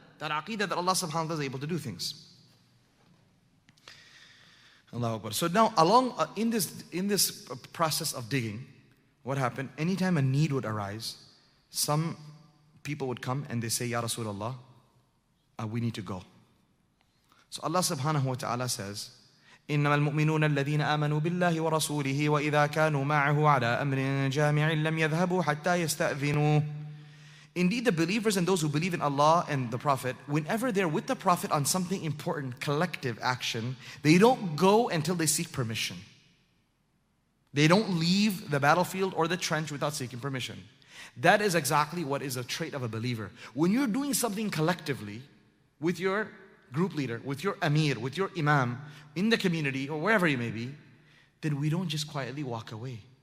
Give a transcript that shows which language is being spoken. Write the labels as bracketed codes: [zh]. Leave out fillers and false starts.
[en] That aqidah that Allah subhanahu wa ta'ala is able to do things. Allahu Akbar. So now along in this process of digging, what happened? Anytime a need would arise, some people would come and they say, Ya Rasulullah, we need to go. So Allah subhanahu wa ta'ala says, [ar] إنما المؤمنون الذين آمنوا بالله ورسوله وإذا كانوا معه على أمر جامع لم يذهبوا حتى يستأذنوا. [en] Indeed, the believers and those who believe in Allah and the Prophet, whenever they're with the Prophet on something important, collective action, they don't go until they seek permission. They don't leave the battlefield or the trench without seeking permission. That is exactly what is a trait of a believer. When you're doing something collectively with your group leader, with your amir, with your imam, in the community or wherever you may be, then we don't just quietly walk away.